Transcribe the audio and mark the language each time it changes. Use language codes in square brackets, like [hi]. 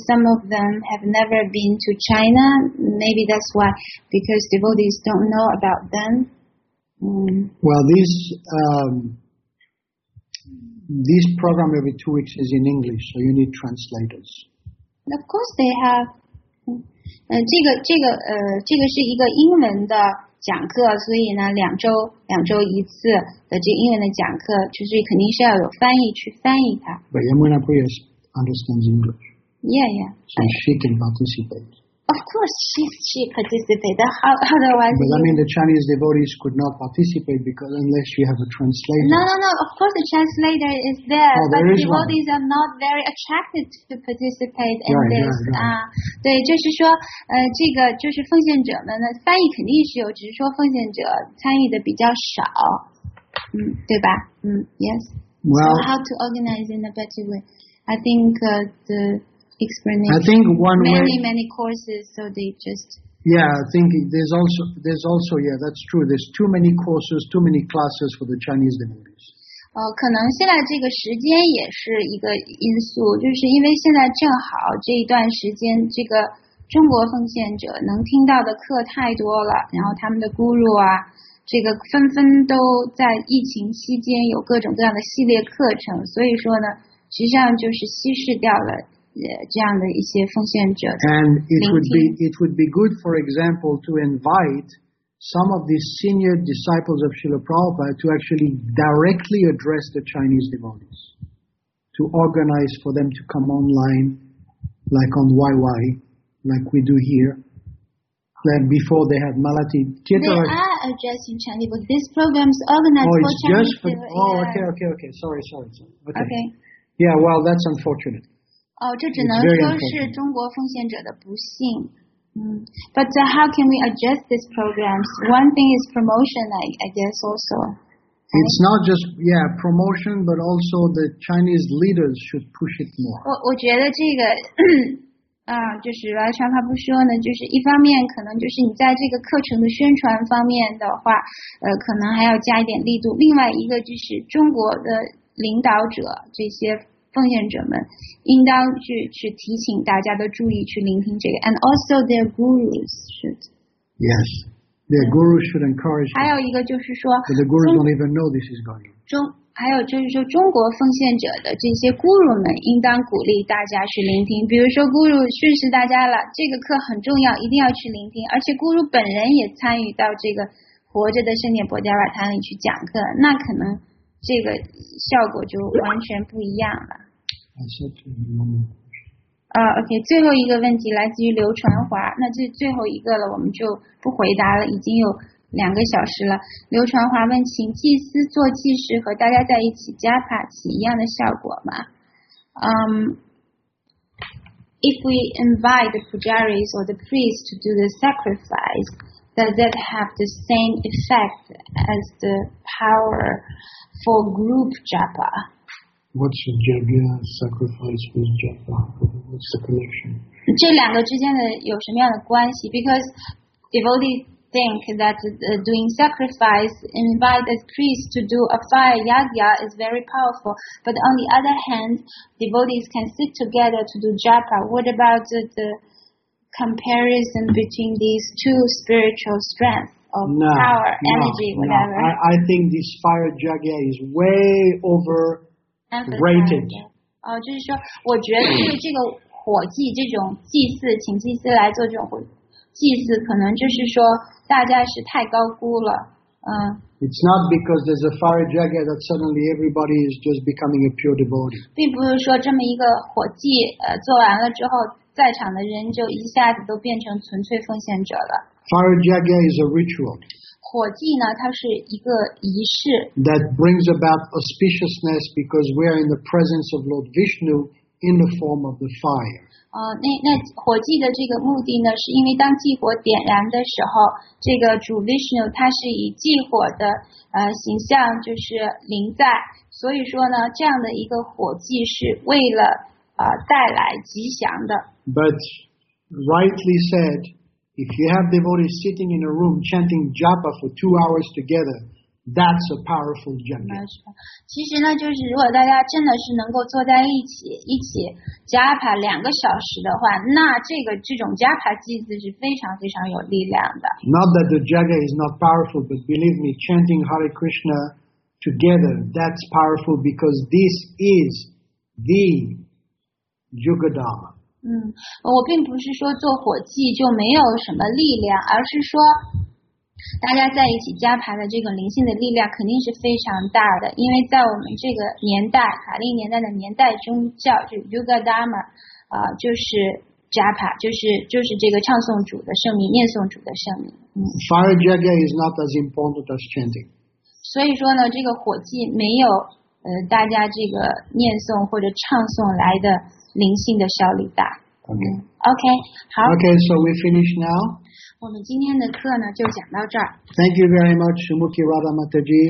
[en] Some of them have never been to China. Maybe that's why, because devotees don't know about them. Well, this program every 2 weeks is in English, so you need translators. Of course they have. [zh] 这个是一个英文的讲课，所以呢，两周一次的这英文的讲课，就是肯定是要有翻译去翻译它。 [en] But Yamuna Priya understands English. Yeah. So she can participate. Of course she participated. Otherwise. But I mean the Chinese devotees could not participate because unless you have a translator. No. Of course the translator is there. Oh, but there is devotees one. Are not very attracted to participate in this. [zh] 对，就是说这个就是奉献者们呢，翻译肯定是有，只是说奉献者参与的比较少。对吧？ [en] Yes. Well, so how to organize in a better way? I think the explanation. I think one many, Many courses, so they just. Yeah, I think there's also, yeah, that's true. There's too many courses, too many classes for the Chinese devotees. [zh] 可能现在这个时间也是一个因素，就是因为现在正好这一段时间，这个中国奉献者能听到的课太多了，然后他们的 guru 啊，这个纷纷都在疫情期间有各种各样的系列课程，所以说呢，实际上就是稀释掉了。 [en] And it would be good, for example, to invite some of these senior disciples of Srila Prabhupada to actually directly address the Chinese devotees. to organize for them to come online, like on YY, like we do here. Then before they had Malati. They are addressing Chinese, but this program is organized for Chinese. Okay. Sorry. Okay. Yeah, well, that's unfortunate. But how can we adjust these programs? One thing is promotion, I guess, also. It's not just, yeah, promotion, but also the Chinese leaders should push it more. [zh] 我觉得这个 就是来上他不说呢，就是一方面可能就是你在这个课程的宣传方面的话，可能还要加一点力度。另外一个就是中国的领导者这些奉献者们，应当去提醒大家的注意去聆听这个。 [en] And also their gurus should. Yes, their gurus should encourage. Them, [zh] 还有一个就是说， [en] the gurus don't even know this is going on. [zh] 还有就是说中国奉献者的这些 guru 们应当鼓励大家去聆听，比如说 guru 训示大家了这个课很重要，一定要去聆听，而且 guru 本人也参与到这个活着的圣典博迦瓦坛里去讲课，那可能这个效果就完全不一样了。 OK， 最后一个问题来自于刘传华，那这最后一个了我们就不回答了，已经有两个小时了。刘传华问，请祭司做祭事和大家在一起加帕奇一样的效果吗？ [en] If we invite the pujaris or the priests to do the sacrifice, does that have the same effect as the power for group japa? What's the japa sacrifice with japa? What's the connection? [zh] 这两个之间的有什么样的关系？ [en] Because devotees think that doing sacrifice, invite a priest to do a fire yagya is very powerful. But on the other hand, devotees can sit together to do japa. What about the comparison between these two spiritual strengths of power, energy, whatever? I think this fire yagya is way overrated. [zh] 就是说，我觉得就是这个火祭，这种祭祀，请祭祀来做这种火祭祀，可能就是说。大家是太高估了， [en] It's not because there's a fire yagya that suddenly everybody is just becoming a pure devotee. [zh] 并不是说这么一个火祭，做完了之后，在场的人就一下子都变成纯粹奉献者了。 [en] Fire yagya is a ritual. [zh] 火祭呢，它是一个仪式。 [en] That brings about auspiciousness because we are in the presence of Lord Vishnu in the form of the fire. [zh] 那火祭的这个目的呢，是因为当祭火点燃的时候，这个主 Vishnu 他是以祭火的形象就是临在，所以说呢，这样的一个火祭是为了带来吉祥的。 [en] But rightly said, if you have devotees sitting in a room chanting japa for 2 hours together, that's a powerful yagya. [zh] 其实呢，就是如果大家真的是能够坐在一起 japa 两个小时的话，那这种 japa 祭祀是非常非常有力量的。 [en] Not that the yagya is not powerful, but believe me, chanting Hare Krishna together, that's powerful because this is the yuga dharma. [zh] 我并不是说做火祭就没有什么力量，而是说。大家在一起加排的这个灵性的力量肯定是非常大的，因为在我们这个年代，卡利年代的年代，宗教就 Yuga Dharma， 就是加排，就是这个唱诵主的圣名，念诵主的圣名。 [en] Fire yagya is not as important as chanting。 [zh] 所以说呢，这个火祭没有大家这个念诵或者唱诵来的灵性的效力大。 [en] Okay. Okay. [zh] 好。 [en] Okay, so we finish now. [zh] 我们今天的课呢就讲到这儿。 [en] Thank you very much, Sumukhi Radha Mataji.